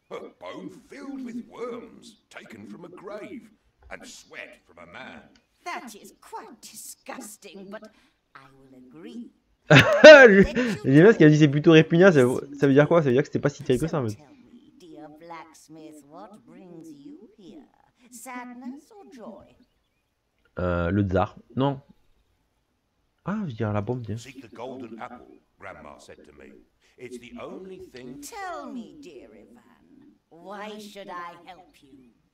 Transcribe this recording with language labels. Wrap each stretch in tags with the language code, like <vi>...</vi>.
<en>A bone filled with worms, taken from a grave, and sweat from a man. That is quite disgusting, but I will agree.</en> <fr>J'ai bien ce qu'elle dit, c'est plutôt répugnant, ça veut dire quoi? Ça veut dire que c'était pas si terrible que ça, en fait.</fr> <en>So tell me, dear blacksmith, what brings you here? Sadness or joy?</en> <fr>Le tsar. Non. Ah, je veux dire la bombe, tiens.</fr> <en>Seek the golden apple, grandma said to me. It's the only thing... Tell me, dear Ivan, why should I help you?</en>